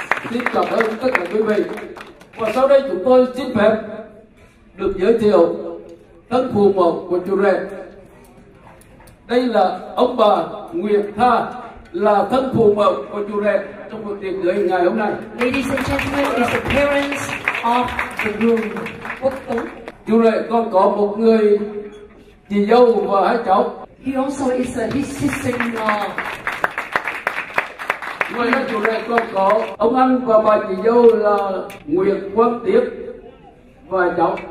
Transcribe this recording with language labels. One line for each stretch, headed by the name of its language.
Vietnamese: Xin cảm ơn tất cả quý vị. Và sau đây chúng tôi xin phép được giới thiệu thân phụ một của chú rể. Đây là ông bà Nguyễn Tha, là thân phụ một của chú rể trong buổi tiệc cưới ngày hôm nay.
English: Ladies and gentlemen, it's the parents of the groom.
Vietnamese: Quốc Tuấn, chú rể còn có một người chị dâu và hai cháu.
English: He also is a his sister-in-law.
Vietnamese: Ngoài ra chú rể còn có ông anh và bà chị dâu là Nguyễn Quang Tiếp và cháu.